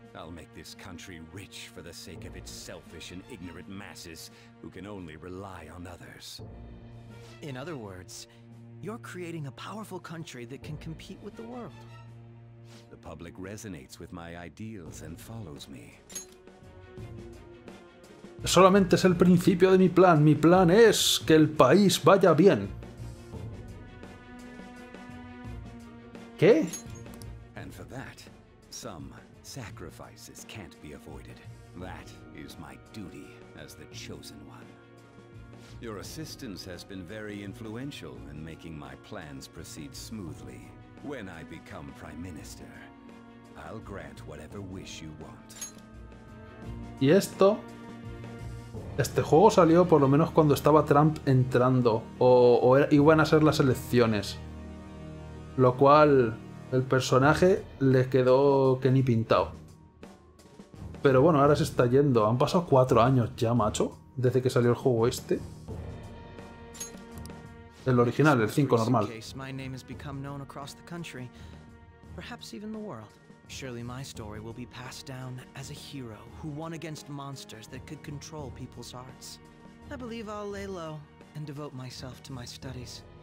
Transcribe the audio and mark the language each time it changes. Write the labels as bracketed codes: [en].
[en] I'll make this country rich for the sake of its selfish and ignorant masses who can only rely on others. In other words, you're creating a powerful country that can compete with the world. The public resonates with my ideals and follows me. [es] Solamente es el principio de mi plan. Mi plan es que el país vaya bien. ¿Qué? [en] And for that, some sacrifices can't be avoided. That is my duty as the chosen one. Your assistance has been very influential in making my plans proceed smoothly. When I become Prime Minister, I'll grant whatever wish you want. [es] Y esto, este juego salió por lo menos cuando estaba Trump entrando, o iban a ser las elecciones, lo cual el personaje le quedó que ni pintado. Pero bueno, ahora se está yendo. Han pasado 4 años ya, macho, desde que salió el juego este. El original, el 5 normal. [en] My name has become known across the country, perhaps even the world. Surely my story will be passed down as a hero who won against monsters that could control people's hearts. I believe I'll lay low and devote myself to my studies.